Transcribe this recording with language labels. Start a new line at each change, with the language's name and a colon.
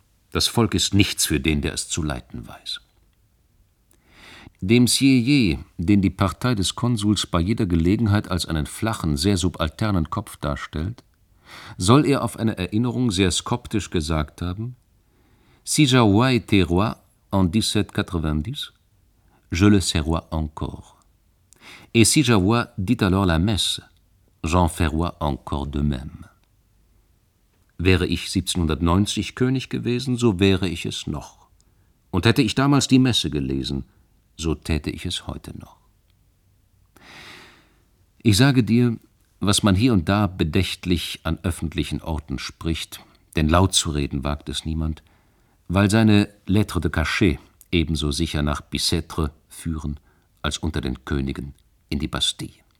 German: Das Volk ist nichts für den, der es zu leiten weiß. Dem Sieyé, den die Partei des Konsuls bei jeder Gelegenheit als einen flachen, sehr subalternen Kopf darstellt, soll er auf eine Erinnerung sehr skoptisch gesagt haben:
French: Si j'avais été roi en 1790, je le serais encore. Et si j'avais dit alors la messe, j'en ferais encore de même.
German: Wäre ich 1790 König gewesen, so wäre ich es noch. Und hätte ich damals die Messe gelesen, so täte ich es heute noch. Ich sage dir, was man hier und da bedächtlich an öffentlichen Orten spricht, denn laut zu reden wagt es niemand, weil seine Lettres de Cachet ebenso sicher nach Bicêtre führen als unter den Königen in die Bastille.